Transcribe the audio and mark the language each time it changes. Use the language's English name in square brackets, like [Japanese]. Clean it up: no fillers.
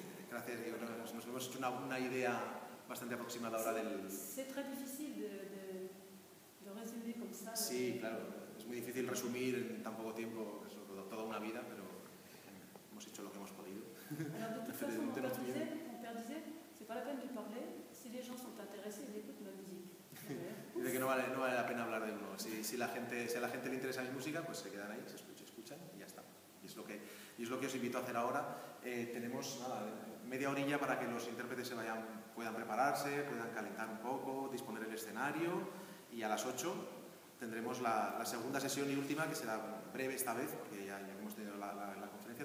[Spanish] Gracias, yo creo que nos hemos hecho una idea bastante aproximada ahora del. Es muy difícil de resumir como está. Sí, claro, es muy difícil resumir en tan poco tiempo, toda una vida, pero. Hemos hecho lo que hemos podido. [French] Alors, de toute façon, mon père disait, c'est pas la peine de parler, si les gens sont intéressés, ils écoutent ma musique. [Spanish] Dice que no vale la pena hablar de uno. Si a la gente le interesa mi música, pues se quedan ahí, se escuchan y ya está. Y es lo que os invito a hacer ahora. Tenemos media horilla para que los intérpretes puedan prepararse, puedan calentar un poco, disponer el escenario, y a las 8 tendremos la segunda sesión y última, que será breve esta vez, porque ya hemos tenido la conferencia.